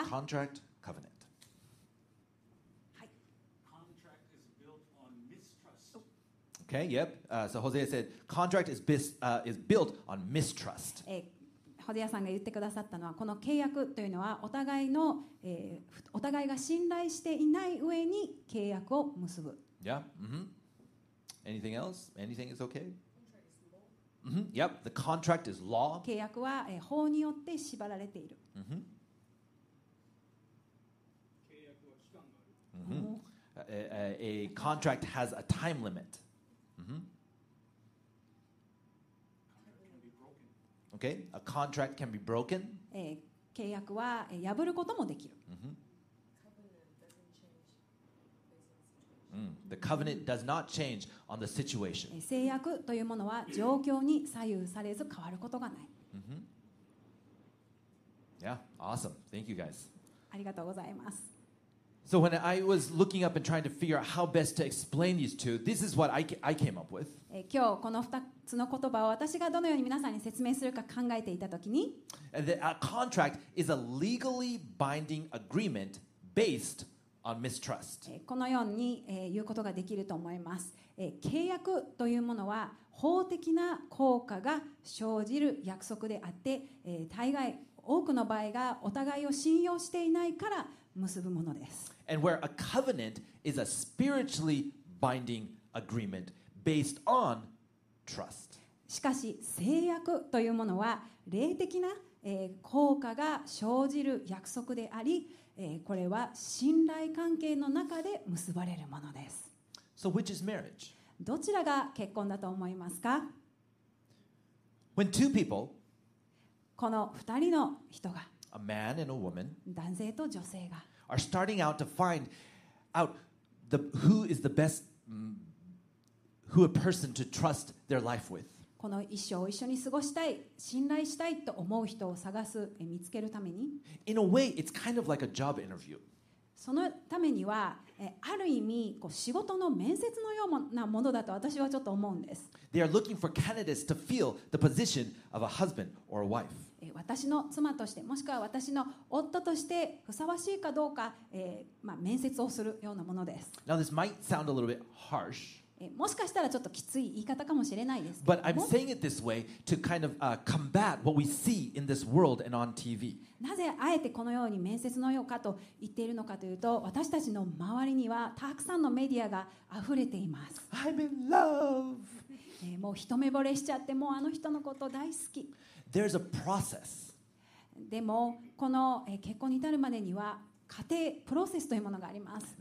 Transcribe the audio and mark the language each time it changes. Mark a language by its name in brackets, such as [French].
[English] Contract, covenant. [Japanese] はい。 [English] Contract is built on mistrust. Okay, yep. So Jose said, contract is built on mistrust. [Japanese] ホゼアさんが言ってくださったのは、この契約というのはお互いの、お互いが信頼していない上に契約を結ぶ。 [English] Yeah. Mm-hmm. Anything else? Anything is okay? Mm-hmm. Yep, the contract is law. [Japanese] 契約は、法によって縛られている。 Mm-hmm. 契約は期間がある。 Mm-hmm. [English] A contract has a time limit. Mm-hmm. Okay, a contract can be broken. [Japanese] 契約は、破ることもできる。 Mm-hmm. [English] The covenant does not change on the situation. [Japanese] 契約というものは状況に左右されず変わることがない。 [English] Mm-hmm. Yeah, awesome. Thank you guys. [Japanese] ありがとうございます。 [English] So when I was looking up and trying to figure out how best to explain these two, this is what I came up with. [Japanese] 今日この2つの言葉を私がどのように皆さんに説明するか考えていたときに、 [English] A contract is a legally binding agreement based on mistrust. [Japanese] このように言うことができると思います。契約というものは法的な効果が生じる約束であって、大概多くの場合がお互いを信用していないから結ぶものです。 [English] And where a covenant is a spiritually binding agreement based on trust. [Japanese] しかし契約というものは霊的な効果が生じる約束であり、これは信頼関係の中で結ばれるものです。 [English] So which is marriage? [Japanese] どちらが結婚だと思いますか? [English] When two people, [Japanese] この2人の人が、 [English] a man and a woman, [Japanese] 男性と女性が、 [English] are starting out to find out the, who is the best, who a person to trust their life with. [Japanese] この一生を一緒に過ごしたい、信頼したいと思う人を探す、見つけるために。 [English] In a way, it's kind of like a job interview. [Japanese] そのためには、ある意味こう仕事の面接のようなものだと私はちょっと思うんです。 [English] They are looking for candidates to fill the position of a husband or a wife. [Japanese] 私の妻として、もしくは私の夫としてふさわしいかどうか、面接をするようなものです。 [English] Now this might sound a little bit harsh. [Japanese] もしかしたらちょっときつい言い方かもしれないですけども。 [English] But I'm saying it this way to kind of combat what we see in this world and on TV. [Japanese] なぜあえてこのように面接のようかと言っているのかというと、私たちの周りにはたくさんのメディアが溢れています。 [English] I'm in love. [Japanese] もう一目惚れしちゃって、もうあの人のこと大好き。 [English] There's a process. [Japanese] でもこの結婚に至るまでには過程、プロセスというものがあります。